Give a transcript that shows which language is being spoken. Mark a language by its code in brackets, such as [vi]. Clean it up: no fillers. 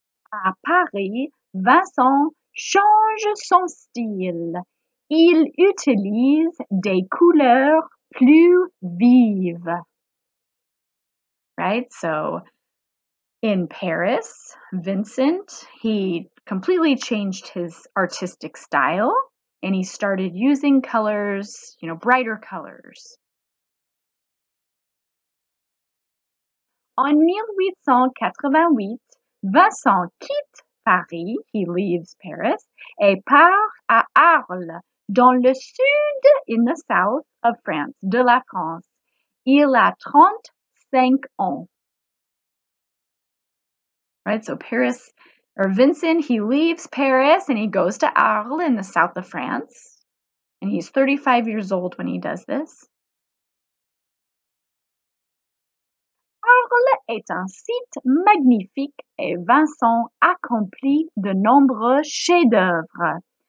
[fr] À Paris, Vincent change son style. Il utilise des couleurs plus vives. [en] Right, so In Paris, Vincent, he completely changed his artistic style and he started using colors, you know, brighter colors. [fr] En 1888, Vincent quitte Paris, [en] he leaves Paris, [fr] et part à Arles, dans le sud, [en] in the south of France, [fr] de la France. Il a 35 ans. [en] Right, so Paris, or Vincent, he leaves Paris and he goes to Arles in the south of France. And he's 35 years old when he does this. [fr] Arles est un site magnifique et Vincent accomplit de nombreux chefs-d'œuvre.